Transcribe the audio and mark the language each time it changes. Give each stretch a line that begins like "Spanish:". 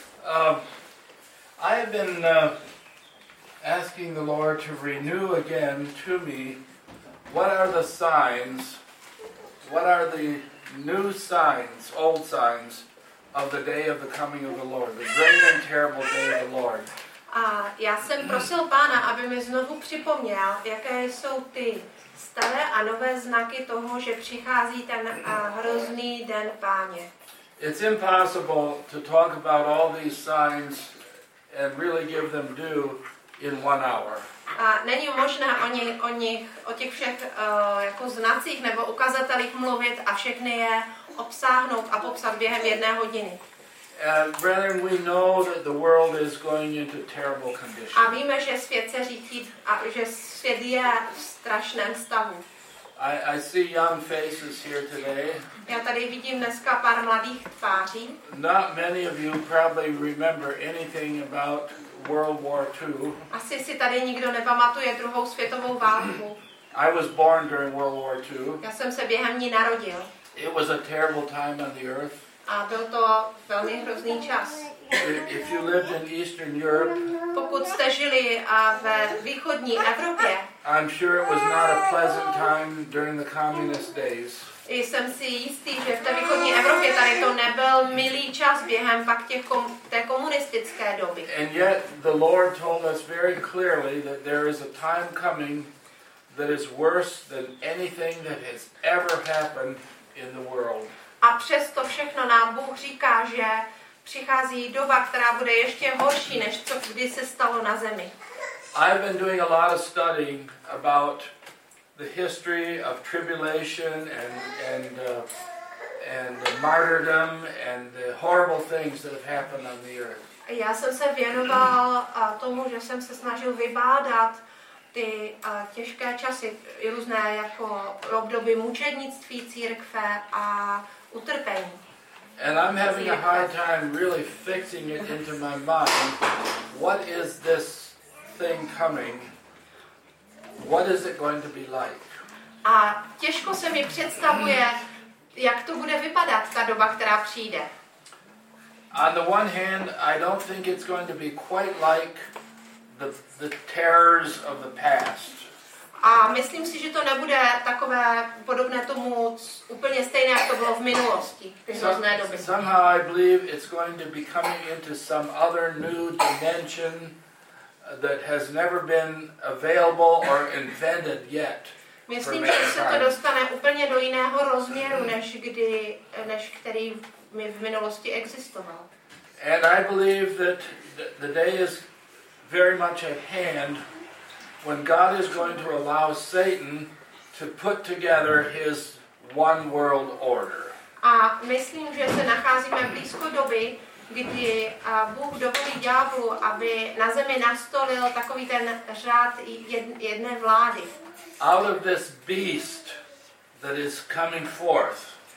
English: I have been asking the Lord to renew again to me, what are the signs, what are the new signs, old signs, of the day of the coming of the Lord, the great and terrible day of the Lord.
Czech: A já jsem prosil Pána, aby mi znovu připomněl, jaké jsou ty staré a nové znaky toho, že přichází ten hrozný den Páně.
English: It's impossible to talk about all these signs and really give them due in 1 hour.
Czech: A není možné o těch všech jako znacích nebo ukazatelích mluvit a všechny je obsáhnout a popsat během jedné hodiny.
English: Brethren, we know that the world is going into terrible condition.
Czech: A víme, že svět se řítí a že svět je v strašném stavu.
English: I see young faces here today.
Czech: Já tady vidím dneska pár mladých tváří.
English: Not many of you probably remember anything about World War II.
Czech: Asi si tady nikdo nepamatuje druhou světovou válku.
English: I was born during World War II.
Czech: Já jsem se během ní narodil.
English: It was a terrible time on the earth.
Czech: A byl to velmi hrozný čas.
English: If you lived in Eastern Europe,
Czech: pokud jste žili ve východní Evropě,
English: I'm sure it was not a pleasant time during the communist days.
Czech: Jsem si jistý, že v té východní Evropě tady to nebyl milý čas během pak té komunistické doby.
English: And yet the Lord told us very clearly that there is a time coming that is worse than anything that has ever happened in the world.
Czech: A přesto všechno nám Bůh říká, že přichází doba, která bude ještě horší, než co kdy se stalo na zemi.
English: I've been doing a lot of studying about the history of tribulation and the martyrdom and the horrible things that have happened on the earth.
Czech: Já jsem se věnoval tomu, že jsem se snažil vybádat ty těžké časy, různé jako období mučednictví církve a utrpení.
English: And I'm having a hard time really fixing it into my mind. What is this thing coming? What is it going to be like?
Czech: A těžko se mi představuje, jak to bude vypadat ta doba, která přijde.
English: On the one hand, I don't think it's going to be quite like the terrors of the past.
Czech: A myslím si, že to nebude takové podobné tomu úplně stejné, jak to bylo v minulosti, hrozné doby.
English: Somehow I believe it's going to be coming into some other new dimension that has never been available or invented yet.
Czech: Myslím, že se to dostane úplně do jiného rozměru, než který mi v minulosti existoval.
English: And I believe that the day is very much at hand when God is going to allow Satan to put together his one world order.
Czech: A myslím, že se nacházíme blízko doby, kdy Bůh dovolí ďáblu, aby na zemi nastolil takový ten řád jedné vlády.
English: Out of this beast that is coming forth.